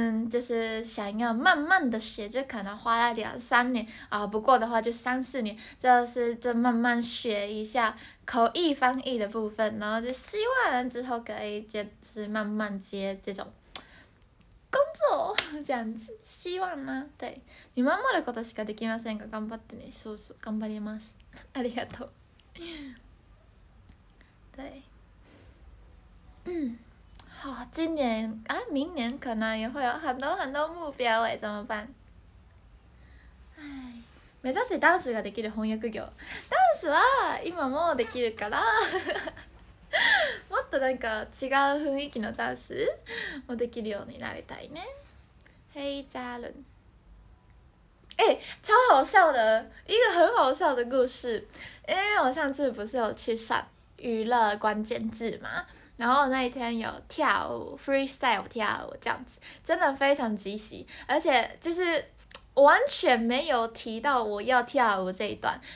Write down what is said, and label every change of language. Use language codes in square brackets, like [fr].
[zh] 就是想要慢慢的学，就可能花了2-3年啊，不过的话就3-4年，就是这慢慢学一下口译翻译的部分，然后就希望之后可以就是慢慢接这种工作，这样子，希望呢。 [ja] 对，見守ることしかできませんが、頑張ってね。そうそう、頑張ります。ありがとう。 [zh] 对。哦，今年啊，明年可能也会有很多很多目标哎，怎么办？ [ja] 哎，目指せダンスができる翻訳業。ダンスは今もできるから、もっとなんか違う雰囲気のダンスもできるようになりたいね。 [zh] Hey Jalen， 哎，超好笑的一个很好笑的故事。因为我上次不是有去上娱乐关键字吗？然后那一天有跳舞 freestyle 跳舞这样子，真的非常即席，而且就是完全没有提到我要跳舞这一段。